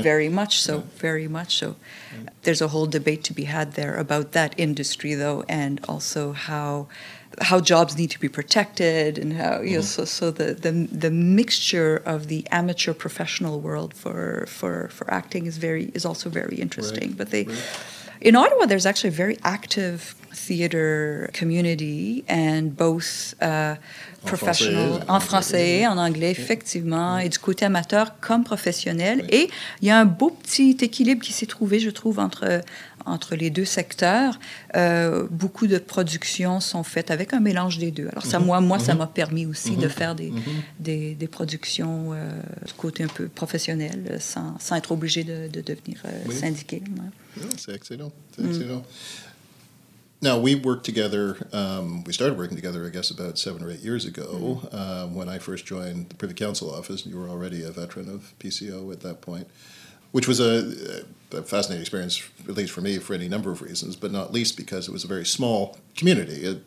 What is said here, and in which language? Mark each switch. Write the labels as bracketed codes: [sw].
[en] Very much so, very much so. There's a whole debate to be had there about that industry, though, and also how jobs need to be protected, and how so the mixture of the amateur professional world for acting is also very interesting. Right. But in Ottawa, there's actually a very active theater community, and both professional [fr] en français, en anglais, effectivement, et du côté amateur comme professionnel. Oui. Et il y a un beau petit équilibre qui s'est trouvé, je trouve, entre les deux secteurs. Beaucoup de productions sont faites avec un mélange des deux. Alors, ça m'a permis aussi de faire des productions du côté un peu professionnel, sans être obligé de devenir syndiqué. Oui, c'est excellent. [en] Now, we worked together, we started working together, I guess, about 7 or 8 years ago, when I first joined the Privy Council office. You were already a veteran of PCO at that point. Which was a fascinating experience, at least for me, for any number of reasons, but not least because it was a very small community.